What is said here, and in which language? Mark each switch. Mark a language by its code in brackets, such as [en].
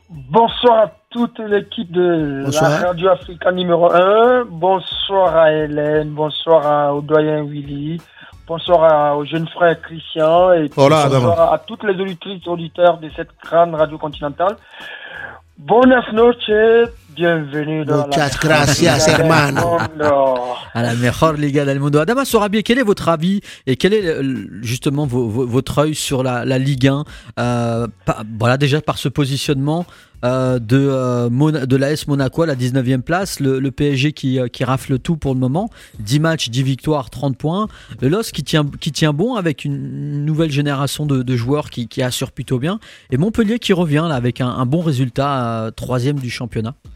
[fr] Bonsoir à toute l'équipe de la Radio Africa numéro 1. Bonsoir à Hélène, bonsoir au doyen Willy, bonsoir au jeune frère Christian et bonsoir à toutes les auditrices et auditeurs de cette grande radio continentale. [es] Buenas noches, [fr] Bienvenue dans [es] muchas gracias, hermano. [fr] À la meilleure [es] Liga del Mundo. [fr] Adama Sorabie, quel est votre avis et quel est justement votre œil sur la Ligue 1 voilà, déjà par ce positionnement de l'AS Monaco à la 19e place, le PSG qui rafle tout pour le moment, 10 matchs, 10 victoires, 30 points, le LOS qui tient bon avec une nouvelle génération de joueurs qui assure plutôt bien, et Montpellier qui revient là avec un bon résultat, 3e du championnat.